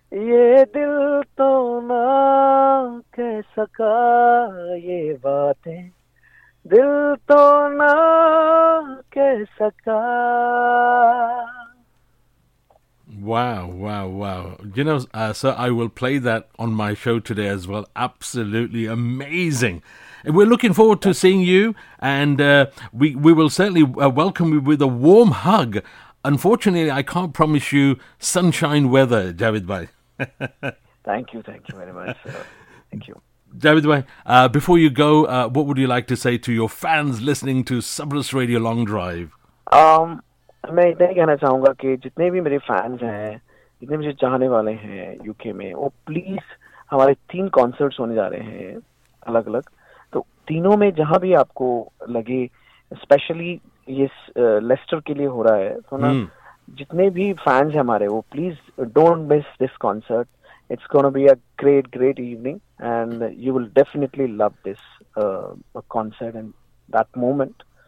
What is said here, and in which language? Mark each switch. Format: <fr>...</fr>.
<hi>ये दिल तो ना कह सका ये बातें दिल तो ना कह सका</hi> <en>Wow. You know, sir, I will play that on my show today as well. Absolutely amazing. And we're looking forward to seeing you, and we will certainly welcome you with a warm hug. Unfortunately, I can't promise you sunshine weather, Javed Bhai. Thank you very much. Thank you. Javed Bhai, before you go, what would you like to say to your fans listening to Sabres Radio Long Drive?</en> <hi>मैं इतना ही कहना चाहूंगा कि जितने भी मेरे fans हैं जितने मुझे चाहने वाले हैं यूके में वो प्लीज हमारे 3 कॉन्सर्ट्स होने जा रहे हैं अलग अलग तो तीनों में जहां भी आपको लगे स्पेशली ये लेस्टर के लिए हो रहा है तो ना जितने भी फैंस हैं हमारे वो</hi> <en>please don't miss this concert it's gonna be a great great evening and you will definitely love this concert and that moment</en>